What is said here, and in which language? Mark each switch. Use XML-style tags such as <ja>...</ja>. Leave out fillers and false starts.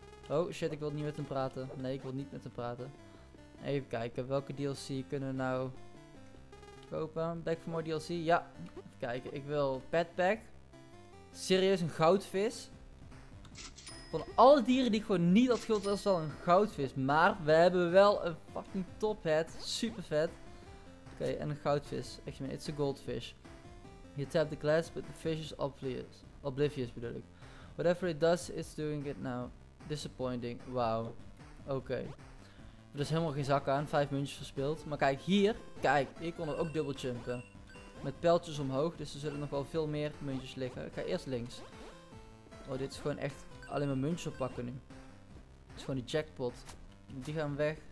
<nl>Oh shit, ik wil niet met hem praten. Nee, ik wil niet met hem praten. Even kijken, welke DLC kunnen we nou kopen?</nl> <en>Back for more DLC,</en> <nl>ja. Even kijken, ik wil pet pack. Serieus, een goudvis. Van alle dieren die gewoon niet had gehad, was wel een goudvis. Maar we hebben wel een fucking top hat. Super vet. Oké, en een goudvis.</nl> <en>Actually, it's a goldfish. You tap the glass, but the fish is obvious. Oblivious</en> <nl>bedoel ik.</nl> <en>Whatever it does, it's doing it now. Disappointing. Wow. Oké.</en> <nl>Okay. Er is helemaal geen zak aan. 5 muntjes verspild. Maar kijk, hier. Kijk, hier konden we ook dubbeljumpen. Met pijltjes omhoog. Dus er zullen nog wel veel meer muntjes liggen. Ik ga eerst links. Oh, dit is gewoon echt alleen maar muntjes oppakken nu. Het is gewoon die jackpot. Die gaan weg.</nl>